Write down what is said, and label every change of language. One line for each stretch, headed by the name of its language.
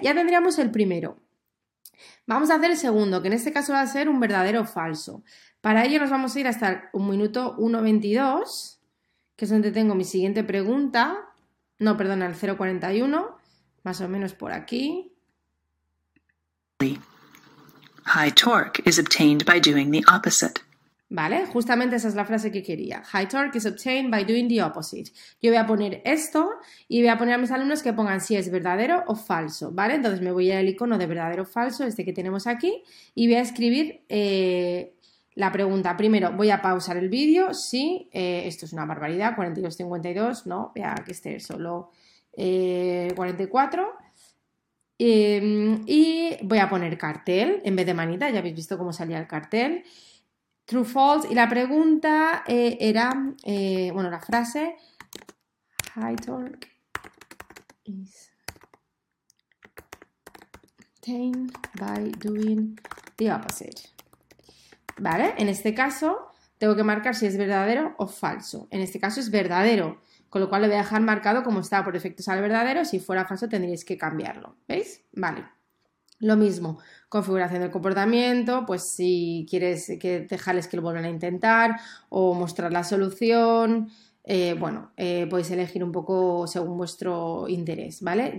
Spanish: Ya tendríamos el primero. Vamos a hacer el segundo, que en este caso va a ser un verdadero o falso. Para ello nos vamos a ir hasta un minuto 1.22, que es donde tengo mi siguiente pregunta. No, perdón, al 0.41, más o menos por aquí.
English: High torque is obtained by doing the opposite.
Spanish: Vale, justamente esa es la frase que quería.
English: High torque is obtained by doing the opposite.
Spanish: Yo voy a poner esto y voy a poner a mis alumnos que pongan si es verdadero o falso, ¿vale? Entonces me voy a ir al icono de verdadero o falso, este que tenemos aquí, y voy a escribir la pregunta. Primero voy a pausar el vídeo, sí, esto es una barbaridad, 42.52, no, voy a que esté solo 44. Y voy a poner cartel en vez de manita, ya habéis visto cómo salía el cartel.
English: True, false.
Spanish: Y la pregunta la frase.
English: High torque is obtained by doing the opposite.
Spanish: ¿Vale? En este caso tengo que marcar si es verdadero o falso. En este caso es verdadero, con lo cual lo voy a dejar marcado como está por defecto sale verdadero. Si fuera falso tendríais que cambiarlo. ¿Veis? Vale. Lo mismo, configuración del comportamiento, pues si quieres que dejarles que lo vuelvan a intentar o mostrar la solución, podéis elegir un poco según vuestro interés, ¿vale?